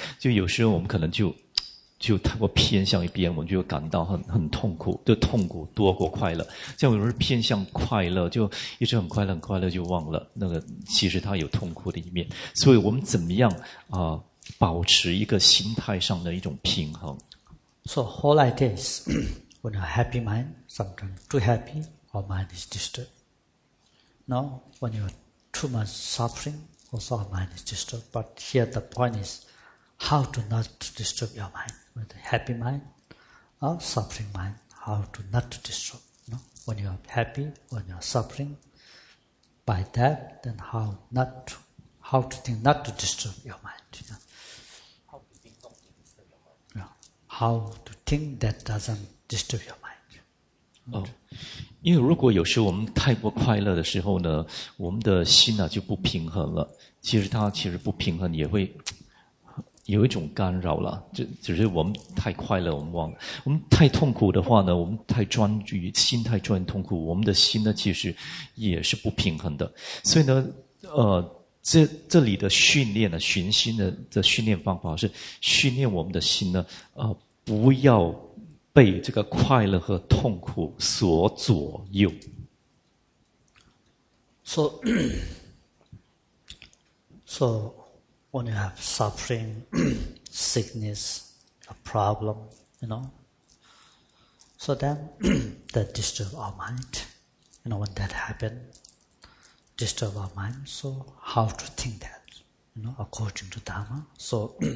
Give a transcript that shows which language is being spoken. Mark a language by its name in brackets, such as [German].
[Chinese] 就有时候我们可能就太过偏向一边，我们就感到很痛苦，就痛苦多过快乐。像有时候偏向快乐，就一直很快乐，很快乐就忘了那个其实它有痛苦的一面。所以我们怎么样保持一个心态上的一种平衡？ [English] So whole idea is, when you're happy mind, sometimes too happy, our mind is disturbed. Now, when you're too much suffering, also our mind is disturbed. But here the point is, how to not disturb your mind. With the happy mind, or suffering mind, how to not disturb. No? When you're happy, when you're suffering, by that, then how to think not to disturb your mind. You know? How to think that doesn't disturb your mind? [Chinese] Oh, 因为如果有时候我们太过快乐的时候呢，我们的心呢就不平衡了。其实不平衡也会有一种干扰了。只是我们太快乐，我们忘了。我们太痛苦的话呢，我们太专注于心，太专注于痛苦，我们的心呢其实也是不平衡的。所以呢，这里的训练呢，寻心的训练方法是训练我们的心呢，不要被这个快乐和痛苦所左右。 [English] So when you have suffering, sickness, a problem, you know, so then that disturb our mind. You know, when that happened. Disturb our mind, so how to think that, you know, according to Dharma. So,